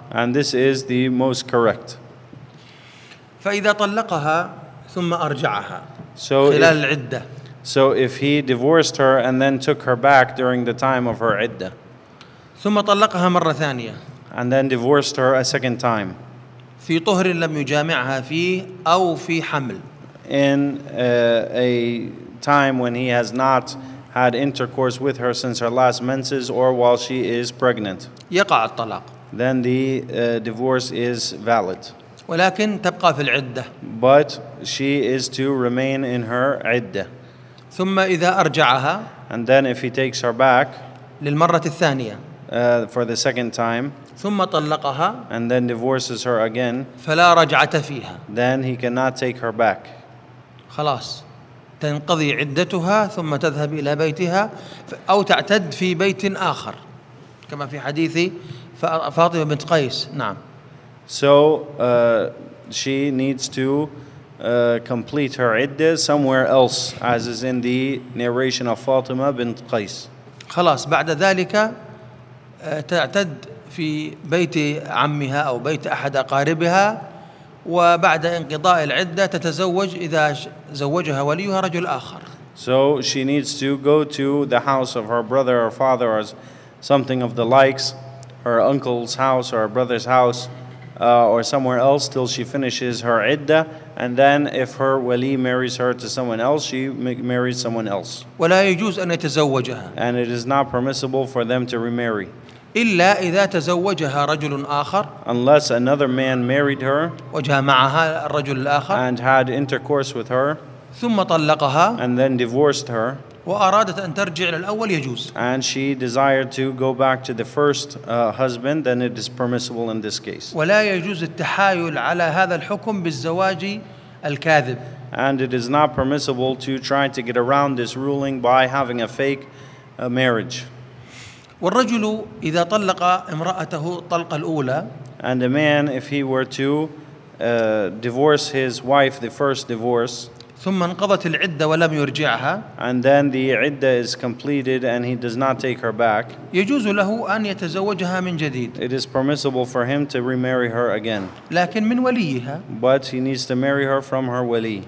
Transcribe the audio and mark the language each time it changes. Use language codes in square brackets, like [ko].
[en] And this is the most correct. [ar] فإذا طلقها ثم أرجعها [en] so [ar] خلال العدة. [en] So if he divorced her and then took her back during the time of her عدة. [ar] ثم طلقها مرة ثانية. [en] And then divorced her a second time. [ar] في طهر لم يجامعها فيه أو في حمل. [en] In a time when he has not had intercourse with her since her last menses or while she is pregnant. [ar] يقع الطلاق. [en] Then the divorce is valid. [ar] ولكن تبقى في العدة. [en] But she is to remain in her عدة. [ar] ثم إذا أرجعها. [en] And then if he takes her back. [ar] للمرة الثانية. [en] For the second time. [ar] ثم طلقها. [en] And then divorces her again. [ar] فلا رجعة فيها. [en] Then he cannot take her back. [ar] خلاص. تنقضي عدتها ثم تذهب إلى بيتها أو تعتد في بيت آخر. كما في حديث فاطمة بنت قيس. نعم. [en] So she needs to complete her عده somewhere else, as is in the narration of Fatima bint Qais. [ar] خلاص بعد ذلك تعتد في بيت عمها أو بيت أحد أقاربها وبعد انقضاء العدة تتزوج إذا زوجها وليها رجل آخر. [en] So she needs to go to the house of her brother or father or something of the likes, her uncle's house or her brother's house or somewhere else till she finishes her عده, and then if her wali marries her to someone else, she marries someone else. [ar] ولا يجوز أن يتزوجها. [en] And it is not permissible for them to remarry. [ar] إلا إذا تزوجها رجل آخر. [en] Unless another man married her. [ar] وجامعها الرجل الآخر. [en] And had intercourse with her. [ar] ثم طلقها. [en] And then divorced her. [ar] وأرادت أن ترجع للأول يجوز. [en] And she desired to go back to the first husband, then it is permissible in this case. [ar] ولا يجوز التحايل على هذا الحكم بالزواج الكاذب. [en] And it is not permissible to try to get around this ruling by having a fake marriage. [ar] والرجل إذا طلق امرأته طلق الأولى. [en] And a man, if he were to divorce his wife the first divorce. [ar] ثم انقضت العدة ولم يرجعها. [en] And then the عدة is completed and he does not take her back. [ar] يجوز له أن يتزوجها من جديد. [en] It is permissible for him to remarry her again. [ar] لكن من وليها. [en] But he needs to marry her from her ولي.